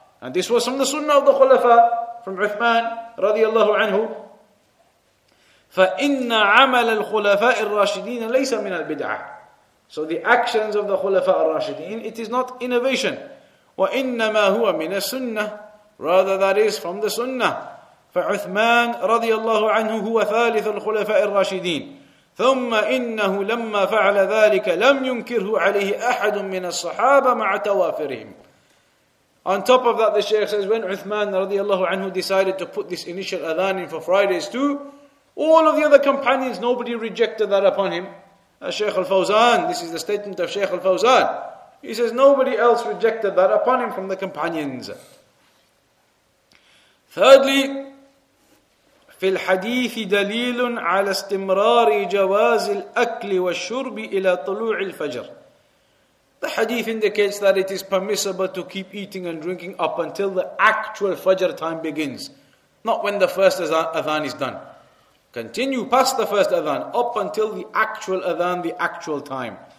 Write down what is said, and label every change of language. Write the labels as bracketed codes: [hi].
[en] And this was from the sunnah of the Khulafa, from Uthman radiallahu anhu. [ar] فَإِنَّ عَمَلَ الْخُلَفَاءِ الرَّاشِدِينَ لَيْسَ مِنَ الْبِدْعَةِ. [en] So the actions of the Khulafa al-Rashideen, it is not innovation. [ar] وَإِنَّمَا هُوَ مِنَ السُنَّةِ. [en] Rather that is from the sunnah. [ar] فَعُثْمَانَ radiallahu anhu هُوَ ثَالِثُ الْخُلَفَاءِ الرَّاشِدِينَ. ثم إنه لما فعل ذلك لم ينكره عليه أحد من الصحابة مع توافرهم. [en] On top of that, the Shaykh says, when Uthman radiallahu anhu decided to put this initial adhan in for Fridays too, all of the other companions, nobody rejected that upon him. Shaykh al-Fawzan, this is the statement of Shaykh al-Fawzan. He says, nobody else rejected that upon him from the companions. Thirdly, [ar] في الحديث دليل على استمرار جواز الأكل والشرب إلى طلوع الفجر. [en] The hadith indicates that it is permissible to keep eating and drinking up until the actual Fajr time begins, not when the first adhan is done. Continue past the first adhan, up until the actual adhan, the actual time.